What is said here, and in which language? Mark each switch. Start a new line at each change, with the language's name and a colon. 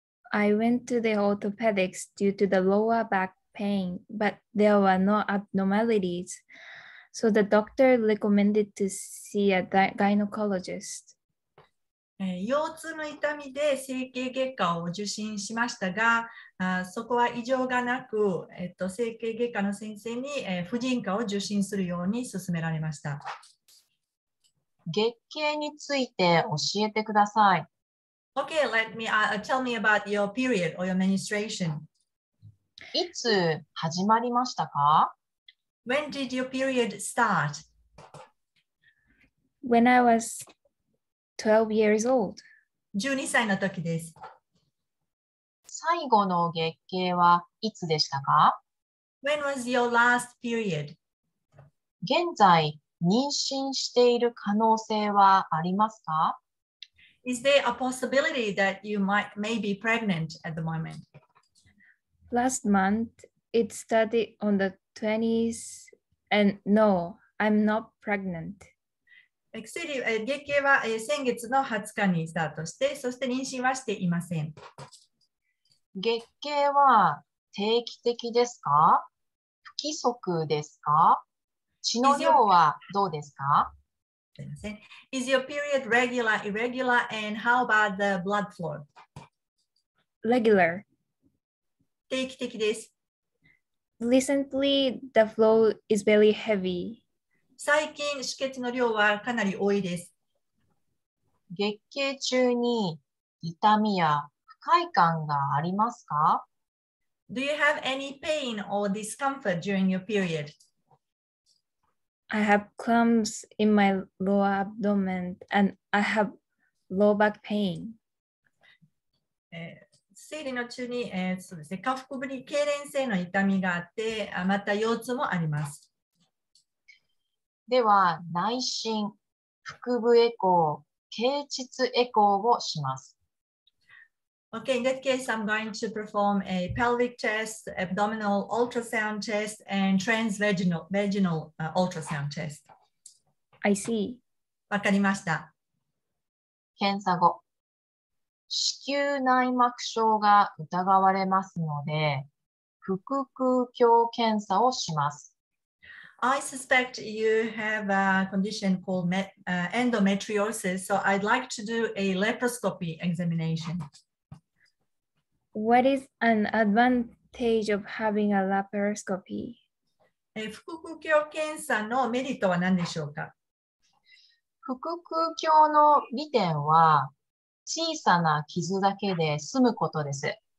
English: I went to the orthopedics due to the lower back pain, but there were no abnormalities. So the doctor recommended to see a gynecologist.
Japanese: 腰痛の痛みで整形外科を受診しましたが、そこは異常がなく、整形外科の先生に婦人科を受診するように勧められました。月経について教えてください。
English: Okay, tell me about your period or your menstruation.
Japanese: いつ始まりましたか?
English: When did your period start? When I was 12 years old.
Japanese: 12歳の時です。最後の月経はいつでしたか?
English: When was your last period?
Japanese: 現在、妊娠している可能性はありますか?
English: Is there a possibility that you might may be pregnant at the moment? Last month, it started on the 20s, and no, I'm not pregnant.
Japanese: 月経は先月の20日にスタートして、そして妊娠はしていません。月経は定期的ですか? 不規則ですか?血の量はどうですか?
English: Is your period regular, irregular, and how about the blood flow? Regular.
Japanese: 定期的です。
English: Recently, the flow is very heavy.
Japanese: 最近、出血の量はかなり多いです。月経中に痛みや不快感がありますか?
English: Do you have any pain or discomfort during your period? I have cramps in my lower abdomen and I have low back pain.
Japanese: 生理の中に、そうですね、下腹部に痙攣性の痛みがあって、また腰痛もあります。では、内診、腹部エコー、経膣エコーをします。
English: Okay, in this case, I'm going to perform a pelvic test, abdominal ultrasound test, and transvaginal ultrasound test. I see.
Japanese: わかりました。検査後、子宮内膜症が疑われますので、腹腔鏡検査をします。
English: I suspect you have a condition called endometriosis, so I'd like to do a laparoscopy examination. What is an advantage of having a laparoscopy?
Japanese: 腹腔鏡検査のメリットは何でしょうか? 腹腔鏡の利点は小さな傷だけで済むことです。